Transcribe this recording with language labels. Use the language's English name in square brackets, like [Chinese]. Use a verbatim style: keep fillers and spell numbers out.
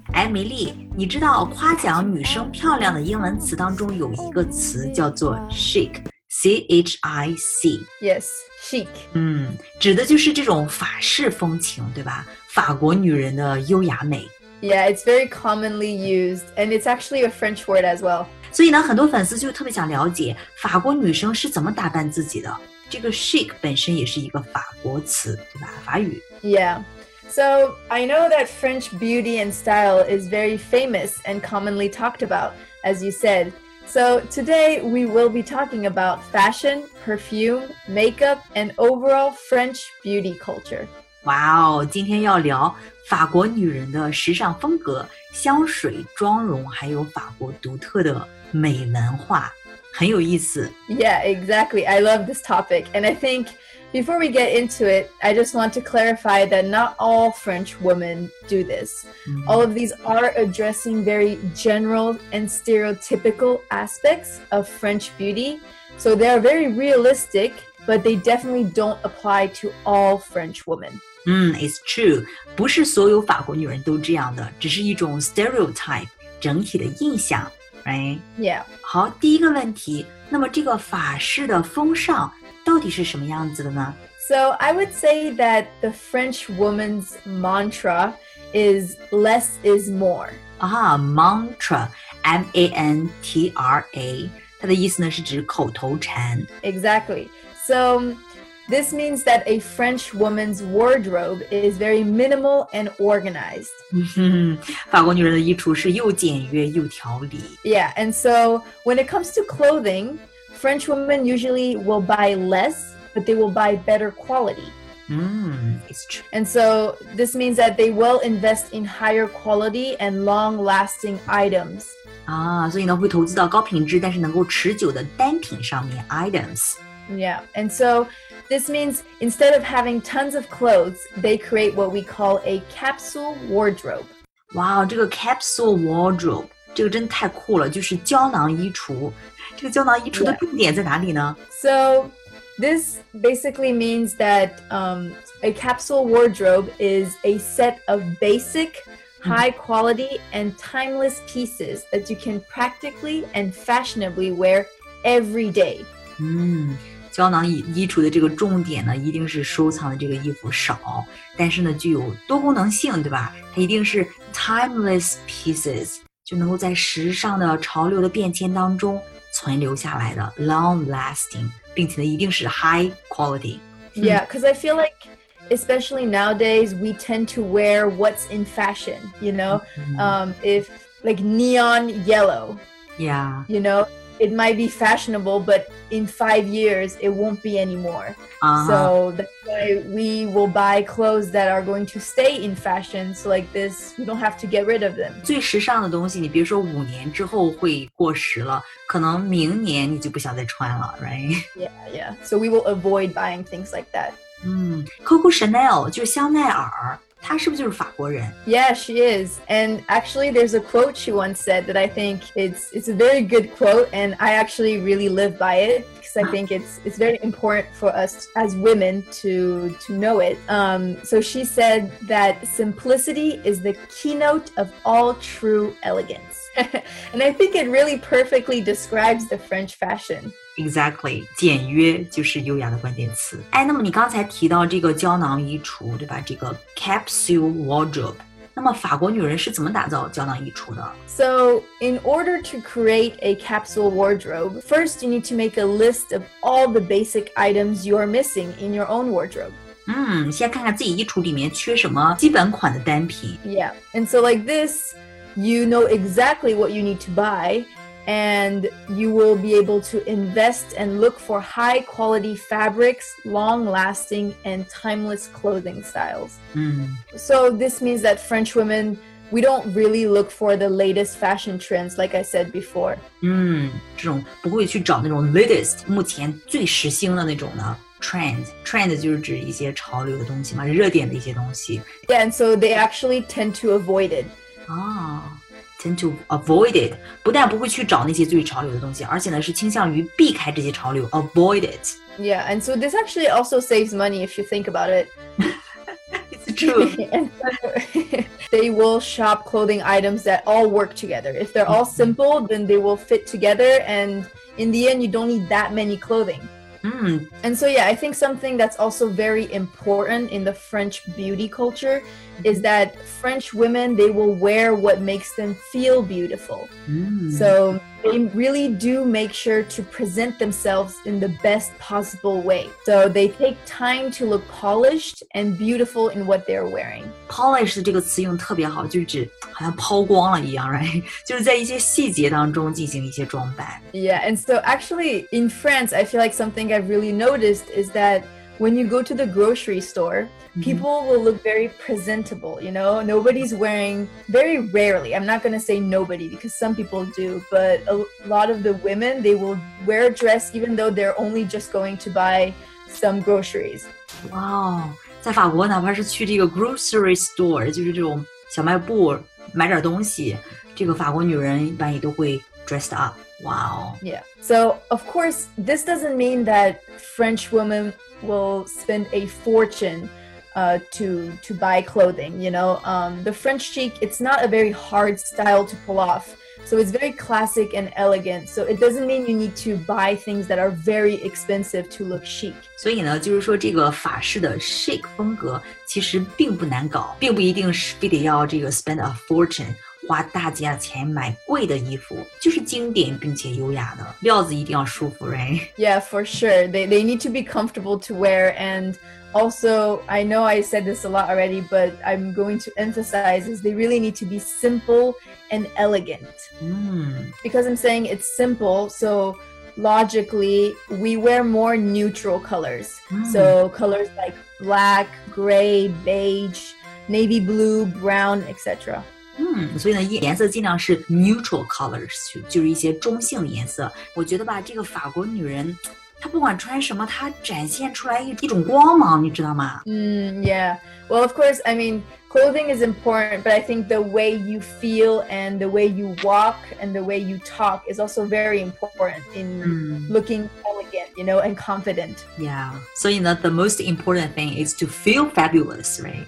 [Chinese] 哎，梅丽，你知道夸奖女生漂亮的英文词当中有一个词叫做 chic。 [English] C H I C Yes, chic [Chinese] 嗯，指的就是这种法式风情，对吧？法国女人的优雅美。 [English] Yeah, it's very commonly used, and it's actually a French word as well. [Chinese] 所以呢，很多粉丝就特别想了解法国女生是怎么打扮自己的。这个 chic 本身也是一个法国词，对吧？法语。 [English] Yeah, so I know that French beauty and style is very famous and commonly talked about, as you said. So today we will be talking about fashion, perfume, makeup, and overall French beauty culture. [Chinese] Wow, 今天要聊法国女人的时尚风格、香水、妆容，还有法国独特的美文化，很有意思。 [English] Yeah, exactly. I love this topic. And I think before we get into it, I just want to clarify that not all French women do this.、Mm-hmm. All of these are addressing very general and stereotypical aspects of French beauty. So they are very realistic, but they definitely don't apply to all French women. 嗯 it's true. [Chinese] 不是所有法国女人都这样的，只是一种 stereotype, 整体的印象。 [English] Right? Yeah. [Chinese] 好，第一个问题，那么这个法式的风尚到底是什么样子的呢？ [English] So I would say that the French woman's mantra is less is more. [Chinese] 啊 mantra, M A N T R A, 它的意思呢是指口头禅。 [English] Exactly. So this means that a French woman's wardrobe is very minimal and organized. [Chinese] 法国女人的衣橱是又简约又条理。 [English] Yeah, and so when it comes to clothing,French women usually will buy less, but they will buy better quality. Mm, it's true. And so this means that they will invest in higher quality and long-lasting items. [Chinese] 啊，所以呢，会投资到高品质但是能够持久的单品上面 items. [English] Yeah, and so this means instead of having tons of clothes, they create what we call a capsule wardrobe. [Chinese] Wow, 这个 capsule wardrobe. 这个真太酷了，就是胶囊衣橱。这个胶囊衣橱的重点在哪里呢？ [English] So this basically means that、um, a capsule wardrobe is a set of basic, high quality, and timeless pieces that you can practically and fashionably wear every day. [Chinese] 嗯，胶囊衣橱的这个重点呢，一定是收藏的这个衣服少，但是呢具有多功能性，对吧？它一定是 [English] timeless pieces。 [Chinese] 就能够在时尚的潮流的变迁当中存留下来的 [English] long lasting, [Chinese] 并且呢一定是 [English] high quality. Yeah, because I feel like especially nowadays we tend to wear what's in fashion, you know, um, if like neon yellow. Yeah. You know, it might be fashionable, but in five years it won't be anymore.、Uh-huh. So that's why we will buy clothes that are going to stay in fashion. So like this, we don't have to get rid of them. [Chinese] 最时尚的东西，你别说五年之后会过时了，可能明年你就不想再穿了 ， [English] right? Yeah, yeah. So we will avoid buying things like that. [Chinese] 嗯 Coco Chanel 就是香奈儿。她是不是就是法国人？ [English] Yeah, she is. And actually, there's a quote she once said that I think it's, it's a very good quote, and I actually really live by it because I think it's, it's very important for us as women to, to know it. Um, so she said that simplicity is the keynote of all true elegance. And I think it really perfectly describes the French fashion. [Chinese] Exactly, 简约就是优雅的关键词。哎，那么你刚才提到这个胶囊衣橱，对吧？这个 capsule wardrobe。那么法国女人是怎么打造胶囊衣橱的？ [English] So, in order to create a capsule wardrobe, first you need to make a list of all the basic items you are missing in your own wardrobe. [Chinese] 嗯，先看看自己衣橱里面缺什么基本款的单品。 [English] Yeah, and so like this, you know exactly what you need to buy. And you will be able to invest and look for high quality fabrics, long lasting and timeless clothing styles. Mm. So this means that French women, we don't really look for the latest fashion trends, like I said before. [Chinese] 嗯，这种不会去找那种 latest 目前最时兴的那种呢。 [English] Trend. [Chinese] Trend 就是指一些潮流的东西嘛，热点的一些东西。 [English] Yeah, and so they actually tend to avoid it. Ah. tend to avoid it， [Chinese] 不但不会去找那些最潮流的东西，而且呢是倾向于避开这些潮流 [English] avoid it。 Yeah, and so this actually also saves money if you think about it. It's true. And so they will shop clothing items that all work together. If they're all simple, then they will fit together, and in the end you don't need that many clothing. Mm. And so yeah, I think something that's also very important in the French beauty culture is that French women, they will wear what makes them feel beautiful. Mm. So they really do make sure to present themselves in the best possible way. So they take time to look polished and beautiful in what they're wearing. [Chinese] Polish 这个词用特别好，就是指好像抛光了一样 right? 就是在一些细节当中进行一些装扮。 [English] Yeah, and so actually in France, I feel like something I've really noticed is that when you go to the grocery store, people will look very presentable, you know? Nobody's wearing, very rarely, I'm not going to say nobody because some people do, but a lot of the women, they will wear a dress even though they're only just going to buy some groceries. [Chinese] Wow, 在法国哪怕是去这个 grocery store, 就是这种小卖部买点东西，这个法国女人一般也都会 [English] dressed up. Wow. Yeah. So, of course, this doesn't mean that French women will spend a fortune uh, to, to buy clothing, you know. Um, the French chic, it's not a very hard style to pull off. So it's very classic and elegant. So it doesn't mean you need to buy things that are very expensive to look chic. [Chinese] 所以呢，就是说这个法式的 chic 风格其实并不难搞，并不一定是非得要这个 [English] spend a fortune。 [Chinese] 花大价钱买贵的衣服，就是经典并且优雅的，料子一定要舒服 right? [English] Yeah, for sure. They, they need to be comfortable to wear. And also, I know I said this a lot already, but I'm going to emphasize is they really need to be simple and elegant. Mm. Because I'm saying it's simple, so logically, we wear more neutral colors. Mm. So colors like black, gray, beige, navy blue, brown, et cetera. [Chinese] 嗯，所以呢，颜色尽量是 [English] neutral colors， [Chinese] 就是一些中性的颜色。我觉得吧，这个法国女人，她不管穿什么，她展现出来一一种光芒，你知道吗？ [English] 嗯 ，Yeah. Well, of course, I mean, clothing is important, but I think the way you feel and the way you walk and the way you talk is also very important in looking elegant, you know, and confident. Yeah. 所以呢， the most important thing is to feel fabulous, right?